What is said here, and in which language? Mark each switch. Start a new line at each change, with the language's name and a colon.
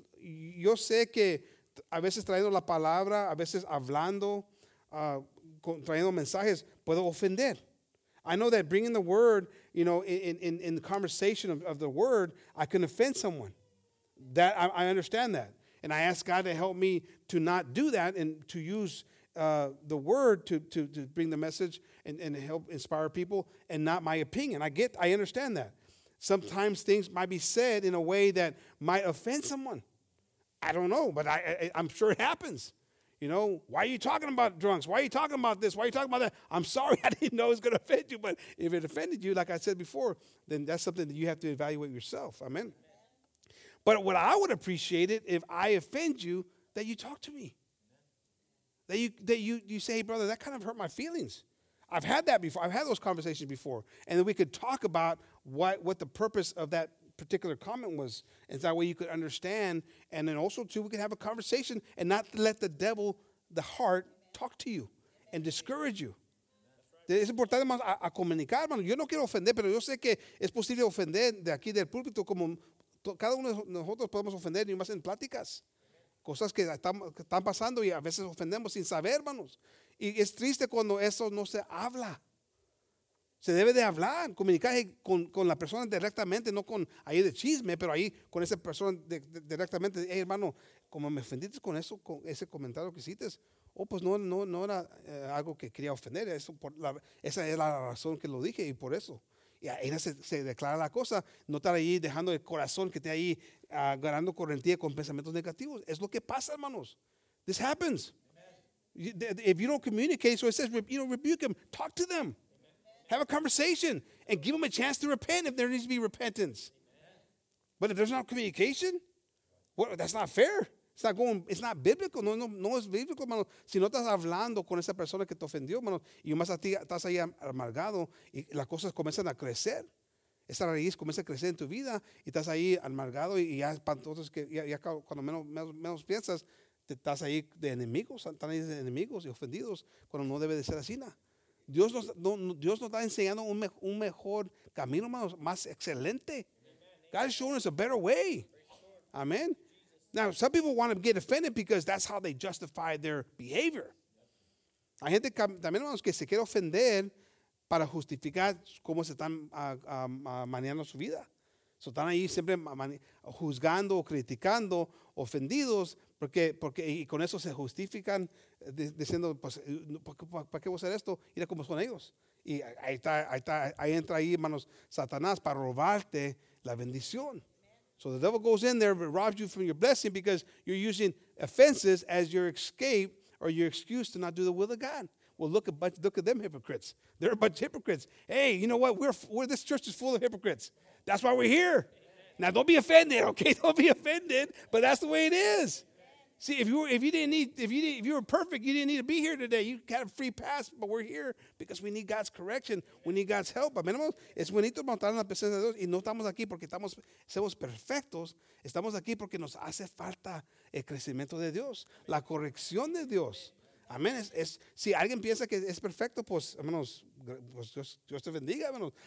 Spanish: Yo sé que a veces trayendo la palabra, a veces hablando, trayendo mensajes, puedo ofender.
English: I know that bringing the word, you know, in the conversation of the word, I can offend someone. That I understand that. And I ask God to help me to not do that and to use the word to bring the message and help inspire people and not my opinion. I understand that. Sometimes things might be said in a way that might offend someone. I don't know, but I'm sure it happens. You know, why are you talking about drunks? Why are you talking about this? Why are you talking about that? I'm sorry, I didn't know it was going to offend you. But if it offended you, like I said before, then that's something that you have to evaluate yourself. Amen. But what I would appreciate it if I offend you, that you talk to me. That you say, hey, brother, that kind of hurt my feelings. I've had that before. I've had those conversations before. And then we could talk about what the purpose of that particular comment was. And that way you could understand. And then also, too, we could have a conversation and not let the devil, the heart, talk to you and discourage you.
Spanish: Es importante más a comunicar, hermano. Yo no quiero ofender, pero yo sé que es posible ofender de aquí del púlpito como cada uno de nosotros podemos ofender, y más en pláticas. Cosas que están pasando y a veces ofendemos sin saber, hermanos. Y es triste cuando eso no se habla. Se debe de hablar, comunicarse con la persona directamente, no con ahí de chisme, pero ahí con esa persona directamente. Hey, hermano, como me ofendiste con eso, con ese comentario que hiciste, pues no era algo que quería ofender. Eso por esa es la razón que lo dije y por eso. Y ahí se declara la cosa, no estar ahí dejando el corazón que esté ahí ganando correntía con pensamientos negativos. Es lo que pasa, hermanos.
English: This happens. If you don't communicate, so it says, you know, rebuke them, talk to them. Amen. Have a conversation and give them a chance to repent if there needs to be repentance. Amen. But if there's not communication, that's not fair. It's not biblical.
Spanish: No es bíblico, hermano. Si no estás hablando con esa persona que te ofendió, hermano, y más a ti estás ahí amargado, y las cosas comienzan a crecer. Esa raíz comienza a crecer en tu vida, y estás ahí amargado, y ya, entonces, ya cuando menos piensas, estás ahí de enemigos, están ahí de enemigos y ofendidos, cuando no debe de ser así. Dios nos está enseñando un mejor camino, hermanos, más excelente.
English: God is showing us a better way. Amen. Now, some people want to get offended because that's how they justify their behavior.
Spanish: Hay gente también, hermanos, que se quiere ofender para justificar cómo se están manejando su vida. So están ahí siempre juzgando o criticando, ofendidos, porque y con eso se justifican diciendo, pues, ¿para qué voy a hacer esto? Ir a como son ellos. Y ahí entra, hermanos, Satanás para robarte la bendición.
English: So the devil goes in there and robs you from your blessing because you're using offenses as your escape or your excuse to not do the will of God. Well, look at them hypocrites. They're a bunch of hypocrites. Hey, you know what? We're this church is full of hypocrites. That's why we're here. Now, don't be offended, okay? Don't be offended, but that's the way it is. See, if you were perfect, you didn't need to be here today. You got a free pass, but we're here because we need God's correction. We need God's help. Amen.
Spanish: Es bonito montar en la presencia de Dios y no estamos aquí porque somos perfectos. Estamos aquí porque nos hace falta el crecimiento de Dios, la corrección de Dios. Amén. Si alguien piensa que es perfecto, pues, hermanos, pues Dios te bendiga, hermanos.